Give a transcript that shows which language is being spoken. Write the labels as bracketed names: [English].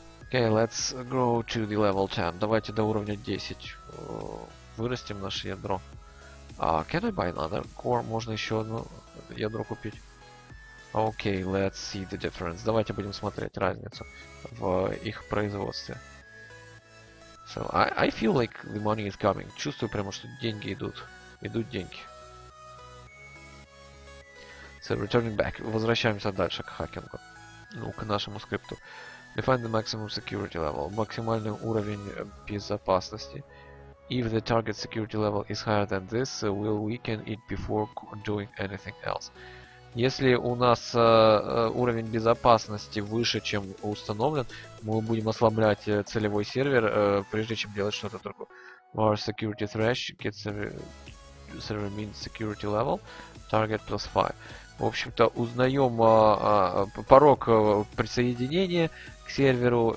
[English] Okay, let's grow to the level 10. [Russian] Давайте до уровня 10. Вырастим наше ядро. [English] Can I buy another core? [Russian] Можно еще одно ядро купить. [English] Okay, let's see the difference. [Russian] Давайте будем смотреть разницу в их производстве. [English] So, I feel like the money is coming. [Russian] Чувствую прямо, что деньги идут. Идут деньги. [English] So, returning back. [Russian] Возвращаемся дальше к хакингу. Ну, к нашему скрипту. [English] Define the maximum security level. [Russian] Максимальный уровень безопасности. [English] If the target security level is higher than this, we'll weaken it before doing anything else. [Russian] Если у нас уровень безопасности выше, чем установлен, мы будем ослаблять целевой сервер, прежде чем делать что-то другое. [English] Our security thresh gets server mean security level, target plus 5. [Russian] В общем-то, узнаем порог присоединения к серверу.